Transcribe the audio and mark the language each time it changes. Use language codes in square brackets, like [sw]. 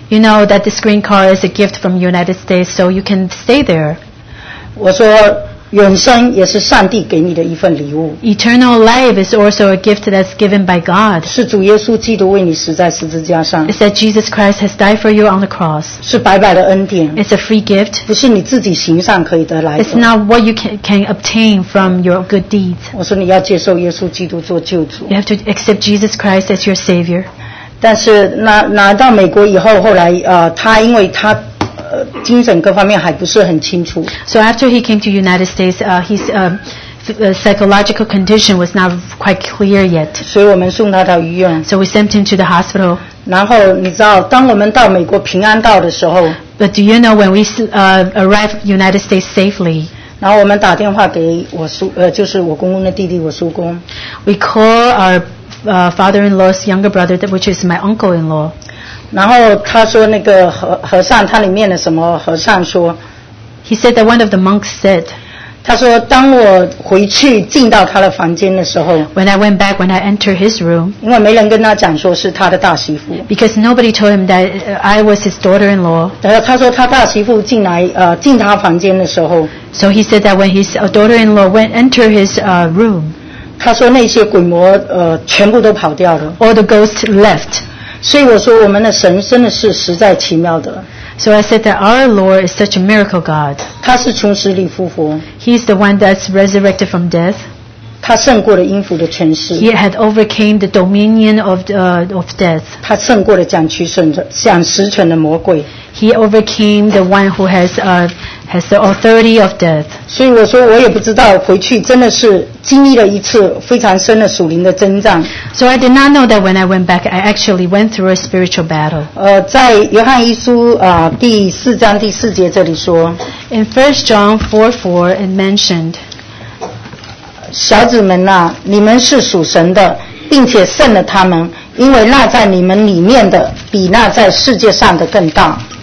[en] You know that this green card is a gift from the United States so you can stay there [zh] 我说永生也是上帝给你的一份礼物 [en] Eternal life is also a gift that's given by God [zh] 是主耶稣基督为你死在十字架上 [en] It's that Jesus Christ has died for you on the cross [zh] 是白白的恩典 [en] It's a free gift [zh] 不是你自己行善可以得来的 [en] It's not what you can obtain from your good deeds [zh] 我说你要接受耶稣基督做救主 [en] You have to accept Jesus Christ as your Savior [zh] 但是拿到美国以后后来他因为他精神各方面还不是很清楚。 [en] So after he came to United States, his psychological condition was not quite clear yet. [zh] 所以我们送他到医院。 [en] So we sent him to the hospital. [zh] 然后你知道，当我们到美国平安到的时候 [en] ，But do you know when we arrived United States safely? [zh] 然后我们打电话给我就是我公公的弟弟，我叔公。 [en] We call our father-in-law's younger brother, which is my uncle-in-law. [zh] 然后他说那个和尚他里面的什么和尚说 [en] He said that one of the monks said [zh] 他说当我回去进到他的房间的时候 [en] When I went back, when I entered his room [zh] 因为没人跟他讲说是他的大媳妇 [en] Because nobody told him that I was his daughter-in-law [zh] 他说他大媳妇进来进他房间的时候 [en] So he said that when his daughter-in-law entered his room [zh] 他说那些鬼魔全部都跑掉了 [en] All the ghosts left [zh] 所以我说我们的神真的是实在奇妙的。 [en] So I said that our Lord is such a miracle God. [zh] 他是从死里复活。 [en] He's the one that's resurrected from death. [zh] 他胜过了阴府的权势。 [en] He had overcame the dominion of death. [zh] 他胜过了掌实权的魔鬼。 [en] He overcame the one who has the authority of death. [zh] 所以我说我也不知道回去真的是经历了一次非常深的属灵的征战。 [en] So I did not know that when I went back, I actually went through a spiritual battle. [zh] 在约翰一书第四章第四节这里说 [en] In 1 John 4:4 it mentioned, [zh] 小子们啊，你们是属神的，并且胜了他们，因为那在你们里面的比那在世界上的更大。